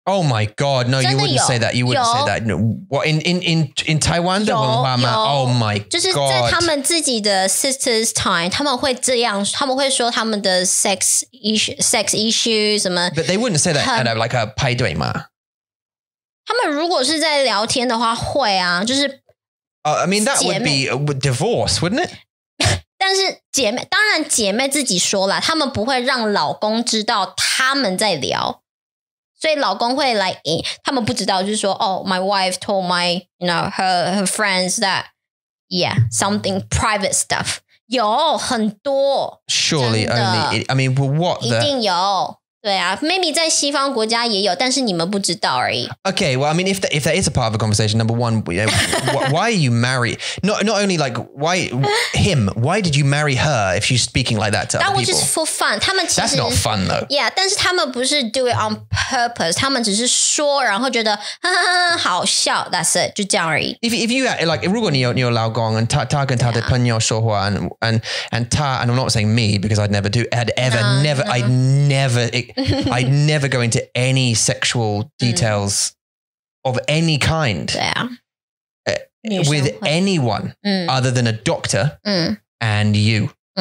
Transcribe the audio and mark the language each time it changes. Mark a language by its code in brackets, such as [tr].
[en] Oh my God, no, you wouldn't say that. You wouldn't say that. No, what, in Taiwan, the one, oh my God. [zh] 就是在他们自己的 [en] sister's time, [zh] 他们会这样,他们会说他们的 [en] sex issue, [zh] 什么。 [en] But they wouldn't say that at like a [zh] 派对嘛。他们如果是在聊天的话,会啊,就是。 [en] I mean, that would be a divorce, wouldn't it? [zh] 但是姐妹当然姐妹自己说了，他们不会让老公知道他们在聊，所以老公会来，他们不知道，就是说 ， [en] Oh, my wife told my, you know, her friends that, yeah, something private stuff. [zh] 有很多 [en] ，Surely only. It, I mean, what? [zh] 一定有，对啊 ，Maybe 在西方国家也有，但是你们不知道而已。 [en] Okay, well, I mean, if that is a part of a conversation, number one, why are you married? Not only like why him? Why did you marry her if she's speaking like that to other people? That was just for fun. [zh] 他们其实 [en] That's not fun though. Yeah, [zh] 但是他们不是 [en] do it on purpose. [zh] 他们只是说，然后觉得哈哈哈好笑。 [en] That's it, [zh] 就这样而已。 [en] If you like, [zh] 如果你有老公 [en] and [zh] 他跟他的朋友说话 [en] and 他 and I'm not saying me because I'd never do, I'd never go into any sexual details of any kind with anyone other than a doctor and you.